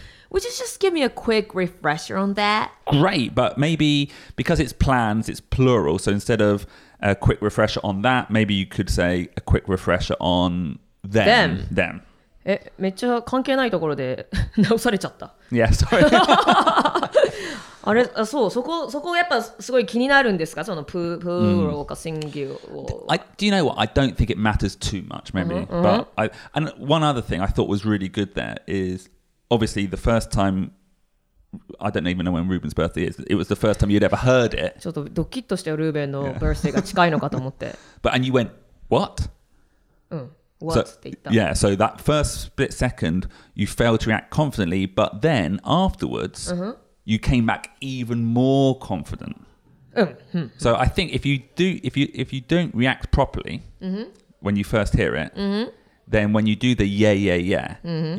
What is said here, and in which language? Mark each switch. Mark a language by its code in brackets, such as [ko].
[en] Would you just give me a quick refresher on that? Great, but maybe because it's plans, it's plural. So instead of a quick refresher on that, maybe you could say a quick refresher on them. Them. [ja] めっちゃ関係ないところで直されちゃった。 [en] Yeah, sorry. [ja] あれ、そう、そこ、そこやっぱすごい気になるんですか、そのプールかシングルを。 [en] Do you know what? I don't think it matters too much, maybe. Mm-hmm. But and one other thing I thought was really good there is... Obviously, the first time, I don't even know when Ruben's birthday is, it was the first time you'd ever heard it. [ja] ちょっとドキッとしてルーベンのバースデーが近いのかと思って。 [en] But, and you went, what? [ja] What? って言った。 [en] So, yeah, so that first split second, you failed to react confidently, but then afterwards, you came back even more confident. So I think if you don't react properly when you first hear it, then when you do the yeah, mm-hmm.